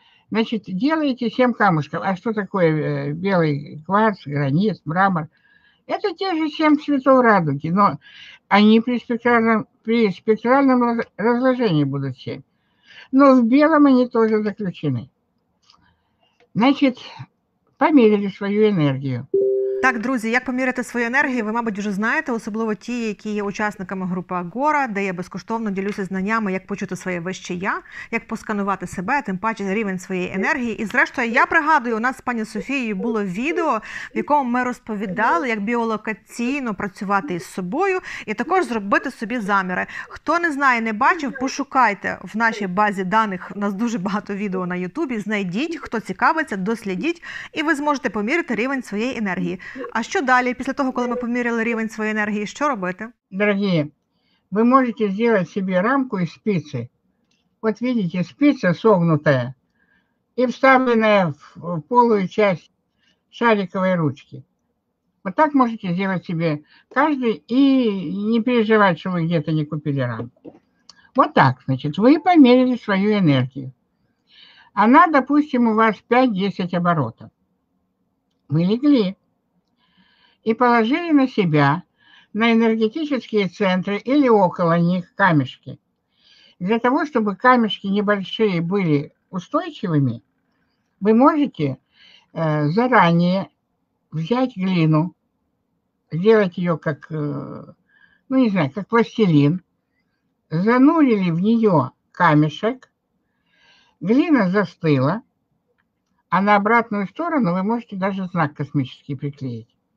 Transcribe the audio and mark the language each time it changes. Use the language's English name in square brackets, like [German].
[Russian] Значит, делаете семь камушков. А что такое белый кварц, гранит, мрамор? Это те же семь цветов радуги, но они при спектральном разложении будут семь. Но в белом они тоже заключены. Значит, померили свою энергию. [Ukrainian] Так, друзі, як поміряти свою енергію, ви, мабуть, вже знаєте, особливо ті, які є учасниками групи Агора, де я безкоштовно ділюся знаннями, як почути своє вище я, як посканувати себе, тим паче рівень своєї енергії. І зрештою, я пригадую, у нас з пані Софією було відео, в якому ми розповідали, як біолокаційно працювати із собою і також зробити собі заміри. Хто не знає, не бачив, пошукайте в нашій базі даних, у нас дуже багато відео на Ютубі, знайдіть, хто цікавиться, дослідіть, і ви зможете поміряти рівень своєї енергії. А що далі, після того, коли ми поміряли рівень своєї енергії, що робити? Дорогі, ви можете зробити собі рамку із спиці. От бачите, спиця согнута і вставлена в полую частину шарикової ручки. От так можете зробити собі кожен і не переживати, що ви десь не купили рамку. От так, значить, ви поміряли свою енергію. Вона, допустим, у вас 5-10 оборотів. Ви лягли. [Russian] И положили на себя, на энергетические центры или около них камешки. Для того, чтобы камешки небольшие были устойчивыми, вы можете заранее взять глину, сделать ее как, ну не знаю, как пластилин, занурили в нее камешек, глина застыла, а на обратную сторону вы можете даже знак космический приклеить.